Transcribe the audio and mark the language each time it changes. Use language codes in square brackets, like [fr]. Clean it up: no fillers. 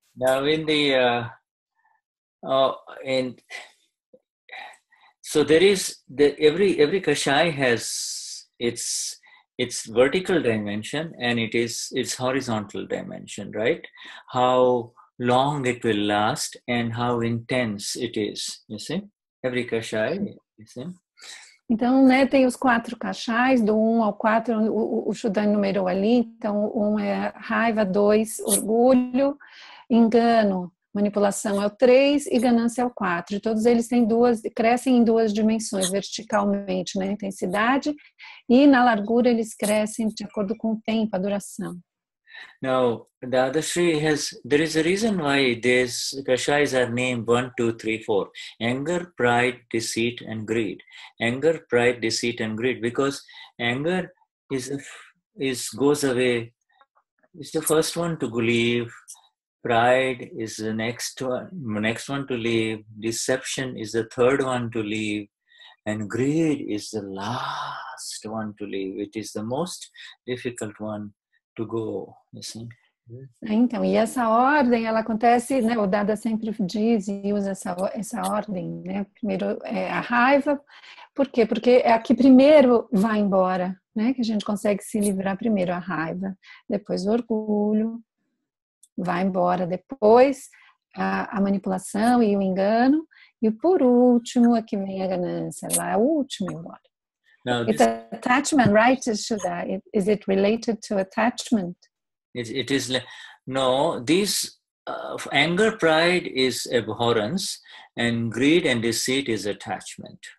[en] Now in the so there is every kashai has its vertical dimension and it is its horizontal dimension, right? How long it will last and how intense it is, you see? Every kashai, you see? [pt] Então, né, tem os quatro kashais, do 1 ao 4, o Shuddha enumerou ali. Então, 1 é raiva, 2, orgulho, engano. Manipulação é o 3 e ganância é o 4. Todos eles têm crescem em duas dimensões, verticalmente na intensidade e na largura eles crescem de acordo com o tempo, a duração. [en] Now, Dadashri there is a reason why these kashais are named 1, 2, 3, 4. Anger, pride, deceit and greed. Anger, pride, deceit and greed. Because anger goes away is the first one to leave. Pride is the next one to leave. Deception is the third one to leave. And greed is the last one to leave. It is the most difficult one to go. You see? [pt] Então, e essa ordem, ela acontece, né? O Dada sempre diz e usa essa ordem, né? Primeiro é a raiva, por quê? Porque é a que primeiro vai embora, né? Que a gente consegue se livrar primeiro, a raiva, depois o orgulho, vai embora, depois a manipulação e o engano, e por último é que vem a ganância, lá é o último embora. [en] It's attachment, right, Shuddha? Is it related to attachment? It is, no, these anger, pride is abhorrence, and greed and deceit is attachment.